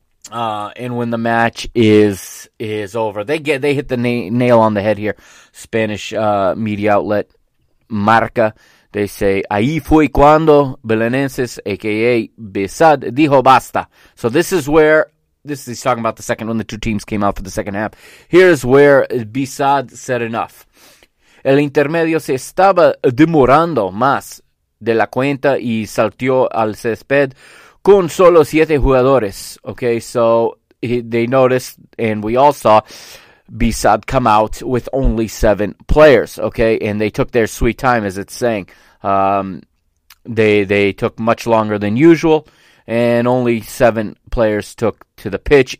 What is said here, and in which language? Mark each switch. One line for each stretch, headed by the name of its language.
English: And when the match is over, they hit the nail on the head here. Spanish media outlet Marca, they say,
Spanish: ahí fue cuando Belenenses, a.k.a. Besad, dijo basta.
English: So this is where, he's talking about the second, when the two teams came out for the second half. Here's where Besad said enough.
Spanish: El intermedio se estaba demorando más de la cuenta y saltó al césped con solo siete jugadores.
English: Okay, so they noticed, and we all saw, Besad come out with only seven players. Okay, and they took their sweet time, as it's saying. They took much longer than usual, and only seven players took to the pitch.